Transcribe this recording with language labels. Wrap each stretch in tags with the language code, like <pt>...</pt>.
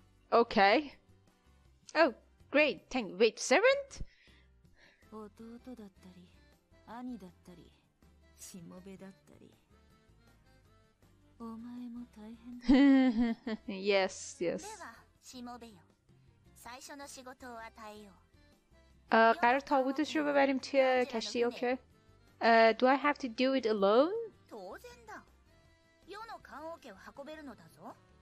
<en>Okay. Oh, great. Thank you. Wait, servant?</en> <ja>弟だったり、兄だったり、しもべだったり。お前も大変だ。</ja> <en>Yes, yes.</en> <ja>では、しもべよ。最初の仕事を与えよう。</ja> <fa>قرار تابوتش رو ببریم توی کشتی، okay.</fa> <en>Do I have to do it alone?</en> <ja>当然だ。世の棺桶を運べるのだぞ。</ja>